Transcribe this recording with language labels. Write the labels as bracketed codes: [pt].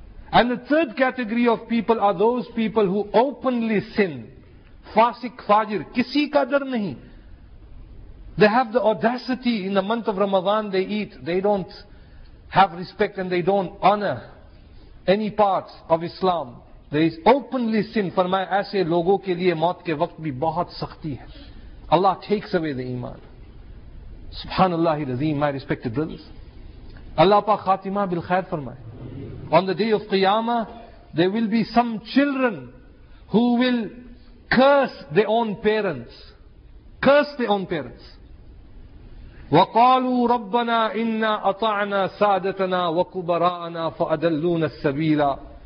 [en] And the third category of people are those people who openly sin, [ur] fasik fajir, kisi ka dar nahi. [en] They have the audacity in the month of Ramadan, they eat. They don't have respect and they don't honor any part of Islam. There is openly sin. [ur] فرمایا ایسے لوگوں کے لئے موت کے وقت بھی بہت سختی ہے. [en] Allah takes away the iman. Subhanallah al-Azim, my respected brothers. [ur] Allah پا خاتمہ بالخیر فرمائے. [en] On the day of Qiyamah, there will be some children who will curse their own parents. Curse their own parents. [ar] وَقَالُوا رَبَّنَا إِنَّا أَطَعْنَا سَادَتَنَا وَكُبَرَاءَنَا فَأَدَلُّونَ السَّبِيلَ.